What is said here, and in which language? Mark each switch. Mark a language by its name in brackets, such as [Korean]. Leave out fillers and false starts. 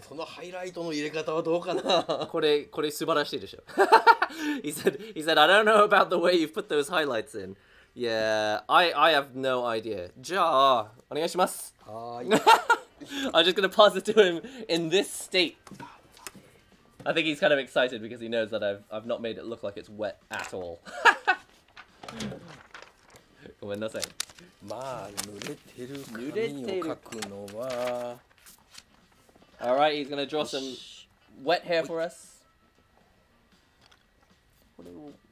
[Japanese] そのハイライトの入れ方はどうかな？これ素晴らしいでしょ。 [English] He said, I don't know about the way you've put those highlights in. Yeah, I have no idea. [Japanese] じゃあ、お願いします。はい。 [English] I'm just gonna pass it to him in this state. I think he's kind of excited because he knows that I've not made it look like it's wet at all. [Japanese] ごめんなさい。まあ濡れてる紙を描くのは。 [English] All right, he's gonna draw some wet hair for us. [Japanese] これを。